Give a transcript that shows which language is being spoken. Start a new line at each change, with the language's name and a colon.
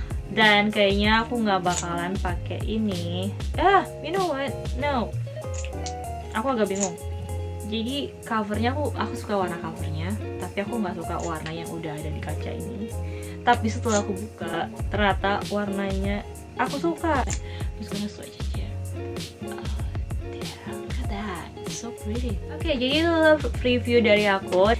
Indonesian: Dan kayaknya aku gak bakalan pakai ini.
English: You know what? No.
Indonesian: Aku agak bingung. Jadi covernya aku suka warna covernya, tapi aku nggak suka warna yang udah ada di kaca ini. Tapi setelah aku buka, ternyata warnanya aku suka.
English: I'm just gonna swatch it here. Oh, damn, look at that, so pretty.
Indonesian: Okay, jadi itu review dari aku.